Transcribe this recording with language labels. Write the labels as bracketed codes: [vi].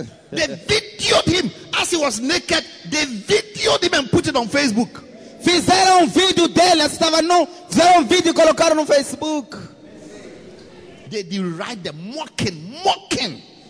[en] They videoed him as he was naked. They videoed him and put it on Facebook. [pt] Fizeram um vídeo dele. Estava no. Fizeram um vídeo e colocaram no Facebook. [en] They deride them, mocking.